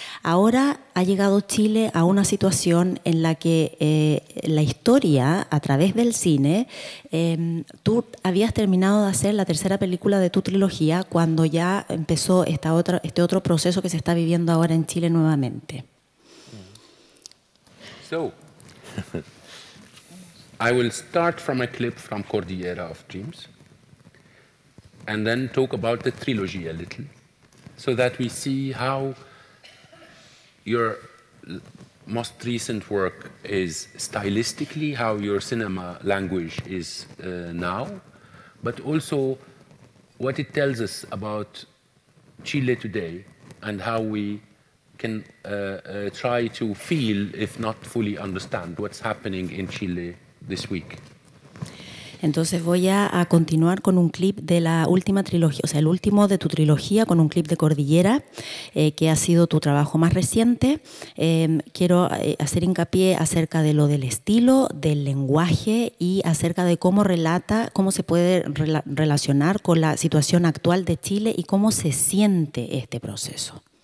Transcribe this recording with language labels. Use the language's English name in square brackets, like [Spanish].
[Spanish] Ahora ha llegado Chile a una situación en la que la historia, a través del cine, tú habías terminado de hacer la tercera película de tu trilogía cuando ya empezó este otro proceso que se está viviendo ahora en Chile nuevamente. [English] So. I will start from a clip from Cordillera of Dreams and then talk about the trilogy a little so that we see how your most recent work is stylistically, how your cinema language is now, but also what it tells us about Chile today and how we can try to feel, if not fully understand, what's happening in Chile this week. [Spanish] Entonces voy a continuar con un clip de la última trilogía, o sea, el último de tu trilogía, con un clip de Cordillera, que ha sido tu trabajo más reciente. Quiero hacer hincapié acerca de lo del estilo, del lenguaje y acerca de cómo relata, cómo se puede relacionar con la situación actual de Chile y cómo se siente este proceso.